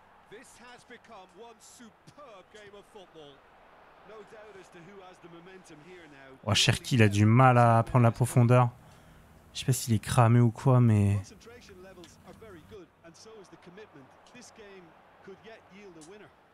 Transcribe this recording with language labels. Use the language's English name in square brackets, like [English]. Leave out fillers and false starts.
[English] This has become one superb game of football. No doubt as to who has the momentum here now. [French] Oh, Cherki, il a du mal à prendre la profondeur. Je sais pas s'il est cramé ou quoi, mais... [English] Concentration levels are very good, and so is the commitment. This game could yet yield a winner.